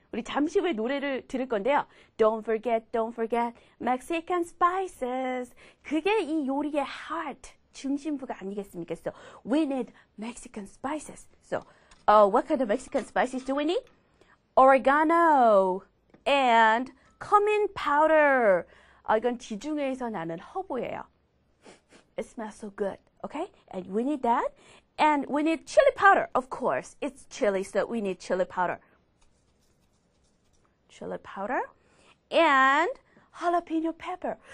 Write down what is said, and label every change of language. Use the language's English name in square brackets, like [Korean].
[Korean] 우리 잠시 후에 노래를 들을 건데요. [English] Don't forget Mexican spices. [Korean] 그게 이 요리의 heart. 중심부가 아니겠습니까? [English] So, we need Mexican spices. So, what kind of Mexican spices do we need? Oregano and cumin powder. [Korean] 이건 지중해에서 나는 허브예요. [English] It smells so good. Okay? And we need that. And we need chili powder, of course. It's chili, so we need chili powder. Chili powder. And jalapeno pepper.